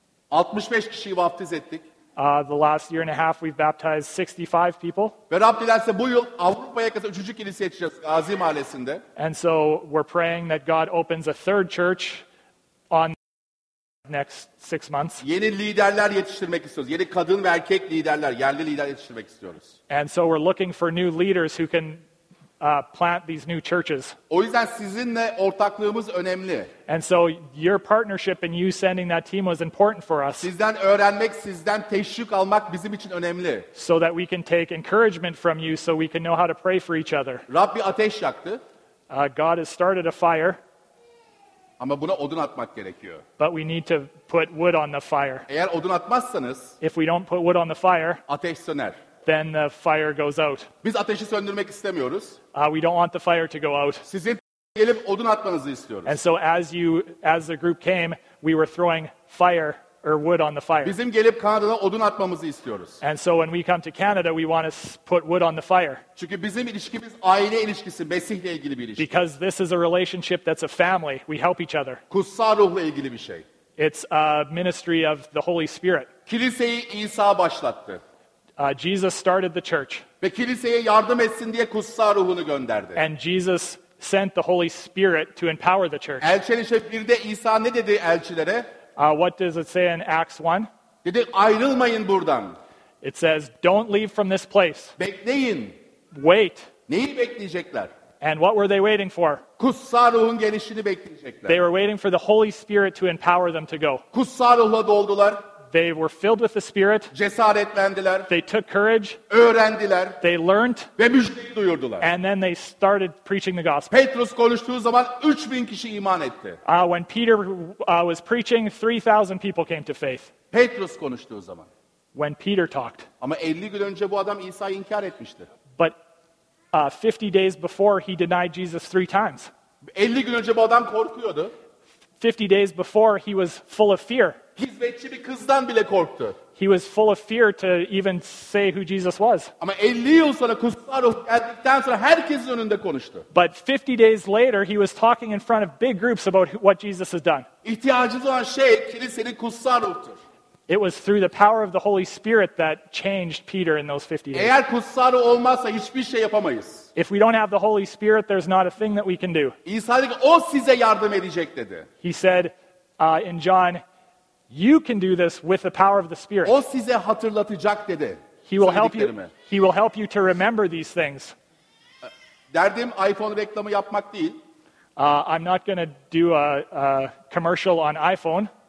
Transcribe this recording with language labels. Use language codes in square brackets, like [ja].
[tr] 65 kişiyi vaftiz ettik. [en] The last year and a half we've baptized 65 people. [tr] Ve Rab dilerse bu yıl Avrupa'ya kadar 3. kilise açacağız Gazi Mahallesi'nde. [en] And so we're praying that God opens a third church on next 6 months. [tr] Yeni liderler yetiştirmek istiyoruz. Yeni kadın ve erkek liderler, yerli lider yetiştirmek istiyoruz. [en] And so we're looking for new leaders who can plant these new churches. [tr] O yüzden sizinle ortaklığımız önemli. [en] And so your partnership and you sending that team was important for us. [tr] Sizden öğrenmek, sizden teşvik almak bizim için önemli. [en] So that we can take encouragement from you so we can know how to pray for each other. [tr] Rab bir ateş yaktı. [en] God has started a fire. [tr] Ama buna odun atmak gerekiyor. [en] But we need to put wood on the fire. [tr] Eğer odun atmazsanız, [en] if we don't put wood on the fire, [tr] ateş söner. [en] Then the fire goes out. [tr] Biz ateşi söndürmek istemiyoruz. [en] We don't want the fire to go out. [tr] Sizin gelip odun atmanızı istiyoruz. [en] And so as the group came, we were throwing fire or wood on the fire. [tr] Bizim gelip Kanada'da odun atmamızı istiyoruz. [en] And so when we come to Canada, we want to put wood on the fire. [tr] Çünkü bizim ilişkimiz aile ilişkisi, Mesih'le ilgili bir ilişki. [en] Because this is a relationship that's a family. We help each other. [tr] Kutsal ruhla ilgili bir şey. [en] It's a ministry of the Holy Spirit. [tr] Kiliseyi İsa başlattı. [en] Jesus started the church. [tr] Ve kiliseye yardım etsin diye kutsal ruhunu gönderdi. [en] And Jesus sent the Holy Spirit to empower the church. [tr] Elçiler 1'de İsa ne dedi elçilere? [en] What does it say in Acts 1? [tr] Dedi, ayrılmayın buradan. [en] It says, don't leave from this place. [tr] Bekleyin. [en] Wait. [tr] Neyi bekleyecekler? [en] And what were they waiting for? [tr] Kutsal ruhun gelişini bekleyecekler. [en] They were waiting for the Holy Spirit to empower them to go. [tr] Kutsal ruhla doldular. [en] They were filled with the Spirit. [tr] Cesaretlendiler. [en] They took courage. [tr] Öğrendiler. [en] They learned. [tr] Ve müjdeyi duyurdular. [en] And then they started preaching the gospel. [tr] Petrus konuştuğu zaman 3000 kişi iman etti. [en] When Peter was preaching, 3000 people came to faith. [tr] Petrus konuştuğu zaman. [en] When Peter talked. [tr] Ama 50 gün önce bu adam İsa'yı inkar etmişti. [en] But 50 days before he denied Jesus 3 times. [tr] 50 gün önce bu adam korkuyordu. [en] 50 days before he was full of fear. [tr] Hizmetçi bir kızdan bile korktu. [en] He was full of fear to even say who Jesus was. [tr] Ama 50 yıl sonra kutsal ruh geldikten sonra herkesin önünde konuştu. [en] But 50 days later he was talking in front of big groups about what Jesus has done. [tr] İhtiyacımız olan şey kilisenin kutsal ruhudur. [en] It was through the power of the Holy Spirit that changed Peter in those 50 days. [tr] Eğer kutsal ruh olmazsa hiçbir şey yapamayız. [en] If we don't have the Holy Spirit, there's not a thing that we can do. [tr] İsa dedi, o size yardım edecek dedi. [en] He said in John, you can do this with the power of the Spirit. [tr] O size hatırlatacak dedi. [en] He will help you. He will help you to remember these things. [tr] Derdim iPhone reklamı yapmak değil. [en] I'm not going to do a commercial on iPhone.